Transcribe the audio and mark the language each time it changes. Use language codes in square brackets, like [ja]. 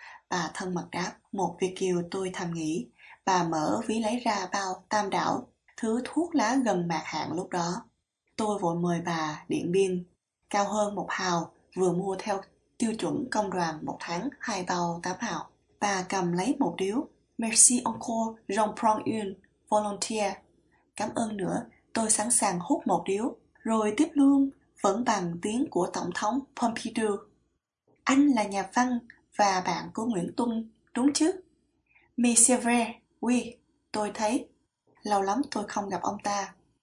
[vi] Bà thân mật đáp, một Việt kiều tôi thầm nghĩ. Bà mở ví lấy ra bao Tam Đảo, thứ thuốc lá gần mạt hạn lúc đó. Tôi vội mời bà điện biên, cao hơn một hào, vừa mua theo tiêu chuẩn công đoàn một tháng, hai bao 8 hào. Bà cầm lấy một điếu. [fr] Merci encore, j'en prends une, volontiers. [vi] Cảm ơn nữa, tôi sẵn sàng hút một điếu. Rồi tiếp luôn, vẫn bằng tiếng của Tổng thống Pompidou. Anh là nhà văn và bạn của Nguyễn Tuân, đúng chứ? Monsieur Vray, oui, tôi thấy. Lâu lắm tôi không gặp ông ta.